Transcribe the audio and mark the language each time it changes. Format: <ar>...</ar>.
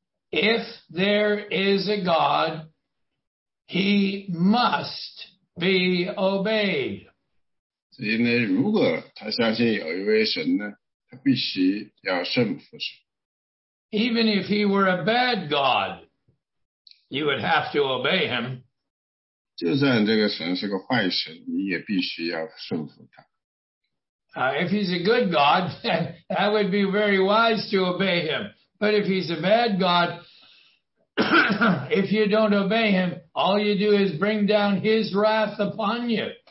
<en>If there is a God, he must be obeyed.</en> <zh>所以呢，如果他相信有一位神呢，他必须要顺服神。</zh> <en>Even if he were a bad God, you would have to obey him.</en> <zh>就算这个神是个坏神，你也必须要顺服他。</zh> <en>If he's a good God, that would be very wise to obey him. But if he's a bad God, if you don't obey him, all you do is bring down his wrath upon you.</en>